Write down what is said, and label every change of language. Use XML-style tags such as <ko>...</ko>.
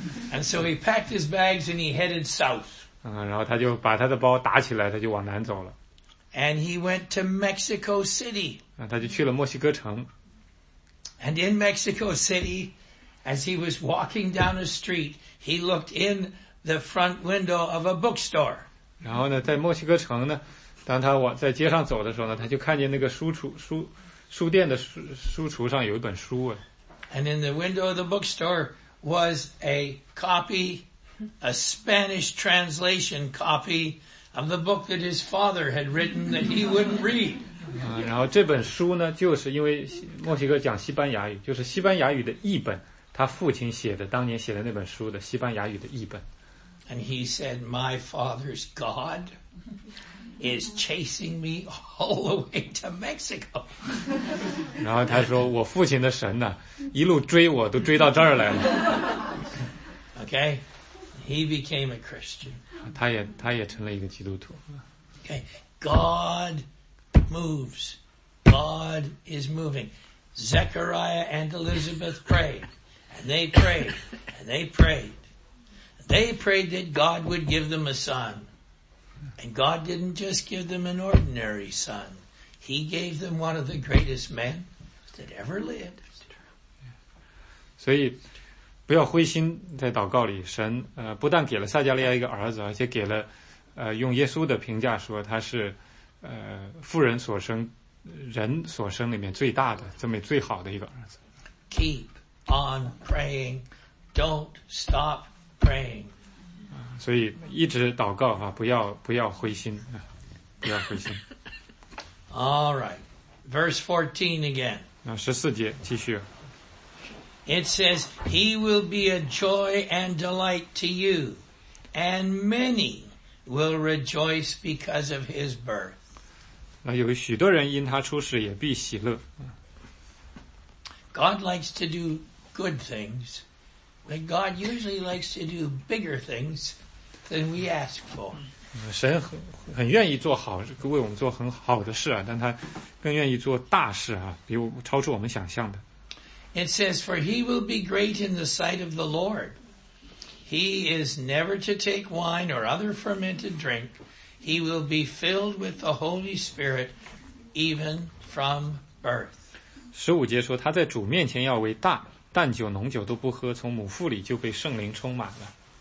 <en>And so he packed his bags and he headed south.</en> <zh>然后他就把他的包打起来他就往南走了。</zh> <en>And he went to Mexico City.</en> <zh>他就去了墨西哥城。</zh> <en>And in Mexico City, as he was walking down a street, he looked in the front window of a bookstore.</en> <zh>然后呢，在墨西哥城呢，当他往在街上走的时候呢，他就看见那个书店的书橱上有一本书啊。</zh> <en>And in the window of the bookstore was a copy, a Spanish translation copy. Of the book that his father had written that he wouldn't read.</en> <zh>然后这本书呢，就是因为墨西哥讲西班牙语，就是西班牙语的译本，他父亲写的，当年写的那本书的西班牙语的译本。</zh> <en>And he said, "My father's God is chasing me all the way to Mexico."</en> <zh>然后他说，我父亲的神呢，一路追我都追到这儿来了。</zh> <en>Okay. He became a Christian.</en> <zh>他也成了一个基督徒。</zh> <en>Okay, God moves. God is moving. Zechariah and Elizabeth prayed, and they prayed, and they prayed. They prayed that God would give them a son. And God didn't just give them an ordinary son. He gave them one of the greatest men that ever lived.</en> <zh>所以不要灰心，在祷告里，神不但给了撒迦利亚一个儿子，而且给了用耶稣的评价说他是妇人所生、人所生里面最大的、这么最好的一个儿子。</zh> <en>Keep on praying, don't stop praying.</en> <zh>所以一直祷告哈，不要灰心，不要灰心。</zh> <en>All right, verse 14 again.</en> <zh>那十四节继续。</zh> <en>It says, He will be a joy and delight to you, and many will rejoice because of His birth.</en> <zh>那有许多人因他出世也必喜乐。</zh> <en>God likes to do good things, but God usually likes to do bigger things than we ask for.</en> <zh>神很愿意做好，为我们做很好的事啊，但他更愿意做大事啊，比我超出我们想象的。</zh> <en>It says, for he will be great in the sight of the Lord. He is never to take wine or other fermented drink. He will be filled with the Holy Spirit even from birth.</en> <zh>十五节说他在主面前要为大，淡酒浓酒都不喝，从母腹里就被圣灵充满了。</zh>